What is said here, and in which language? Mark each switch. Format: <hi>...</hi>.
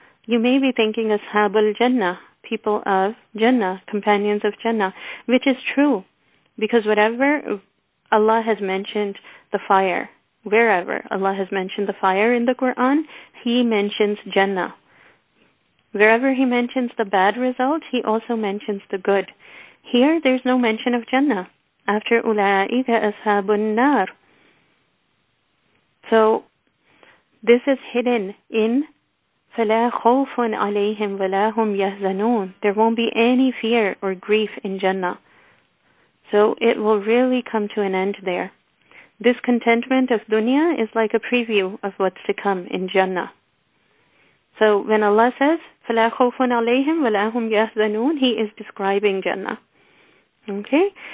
<en>You may be thinking Ashabul Jannah, people of Jannah, companions of Jannah, which is true, because whatever Allah has mentioned the fire, wherever Allah has mentioned the fire in the Quran, He mentions Jannah. Wherever He mentions the bad result, He also mentions the good. Here, there's no mention of Jannah.</en> <ar>After Ula'ika Ashabun Nar.</ar> <en>So, this is hidden in</en> <ar>فَلَا خَوْفٌ عَلَيْهِمْ وَلَا هُمْ يَهْزَنُونَ.</ar> <en>There won't be any fear or grief in Jannah. So, it will really come to an end there. This contentment of dunya is like a preview of what's to come in Jannah. So, when Allah says</en> <ar>فَلَا خَوْفٌ عَلَيْهِمْ وَلَا هُمْ يَهْزَنُونَ,</ar> <en>He is describing Jannah. Okay?</en>